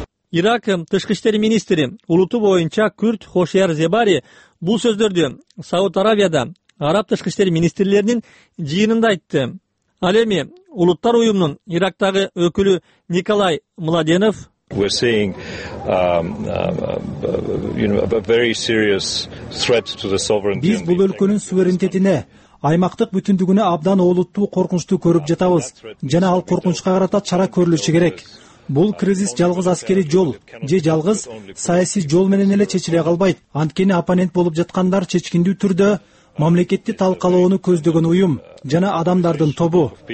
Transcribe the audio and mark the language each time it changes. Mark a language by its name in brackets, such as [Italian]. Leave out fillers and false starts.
[Kyrgyz] Ирак тышкы иштер министри улуту боюнча күрд Хошияр Зебари бул сөздөрдү Сауд Арабияда араб тышкы иштер министрлеринин жыйынында айтты. Ал эми улуттар уюмунун Ирактагы өкүлү Николай Младенов [English] We're seeing a very serious threat to the sovereignty. [Kyrgyz] Биз бул өлкөнүн суверенитетине, аймактык бүтүндүгүнө абдан олуттуу коркунучту көрүп жатабыз жана ал коркунучка карата чара көрүлүшү керек. Бул кризис жалгыз аскерий жол же жалгыз саясий жол менен эле чечиле калбайт. Анткени оппонент болуп жаткандар чечкиндүү түрдө мамлекетти талкалоону көздөгөн уюм жана адамдардын тобу.